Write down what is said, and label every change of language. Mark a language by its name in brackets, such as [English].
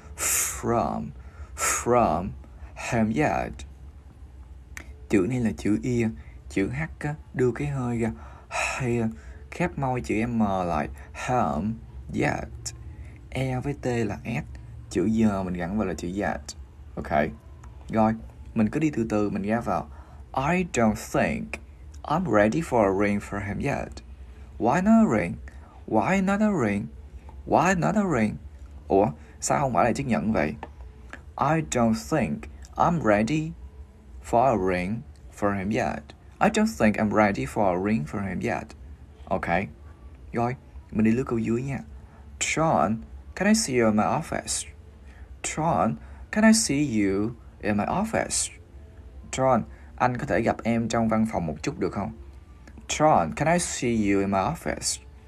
[Vietnamese] From. [English] From him yet. [Vietnamese] Chữ này là chữ Y. Chữ H đưa cái hơi ra. Here. Khép môi chữ M lại. Hum yet. E với T là S. Chữ G mình gắn vào là chữ yet. Ok. Rồi, mình cứ đi từ từ, mình ghé vào. [English] I don't think I'm ready for a ring for him yet. Why not a ring? Why not a ring? Why not a ring? [Vietnamese] Ủa, sao không phải là chiếc nhẫn vậy? [English] I don't think I'm ready for a ring for him yet. I don't think I'm ready for a ring for him yet. Ok. [Vietnamese] Rồi, mình đi lướt câu dưới nha. [English] John, can I see you in my office? John, can I see you in my office? [Vietnamese] John, anh có thể gặp em trong văn phòng một chút được không? [English] John, can I see you in my office?